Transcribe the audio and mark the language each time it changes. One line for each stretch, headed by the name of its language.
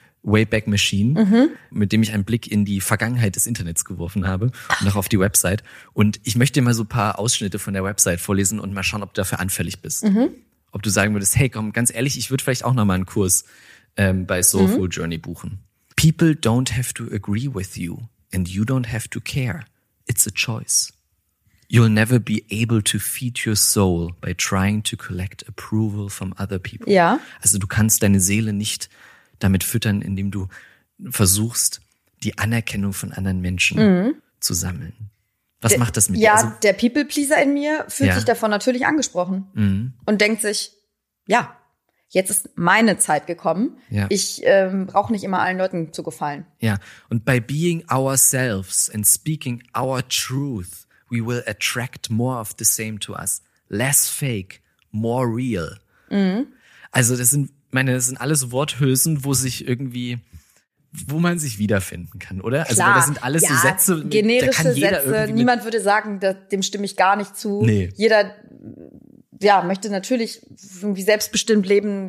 German: Wayback Machine, mit dem ich einen Blick in die Vergangenheit des Internets geworfen habe und auch auf die Website. Und ich möchte dir mal so ein paar Ausschnitte von der Website vorlesen und mal schauen, ob du dafür anfällig bist. Ob du sagen würdest, hey, komm, ganz ehrlich, ich würde vielleicht auch nochmal einen Kurs bei Soulful Journey buchen.
English: People don't have to agree with you and you don't have to care. It's a choice. You'll never be able to feed your soul by trying to collect approval from other people.
German: Ja. Also du kannst deine Seele nicht damit füttern, indem du versuchst, die Anerkennung von anderen Menschen zu sammeln. Was macht das mit dir? Ja, also, der People-Pleaser in mir fühlt sich davon natürlich angesprochen und denkt sich, ja, jetzt ist meine Zeit gekommen. Ja. Ich brauche nicht immer allen Leuten zu gefallen. Ja, und
English: by being ourselves and speaking our truth, we will attract more of the same to us. Less fake, more real.
German: Also das sind, meine, das sind alles Worthülsen, wo sich irgendwie, wo man sich wiederfinden kann, oder? Klar, also das sind alles so Sätze, generische da kann jeder Sätze. Niemand würde sagen, da, dem stimme ich gar nicht zu. Nee. Jeder, ja, möchte natürlich irgendwie selbstbestimmt leben.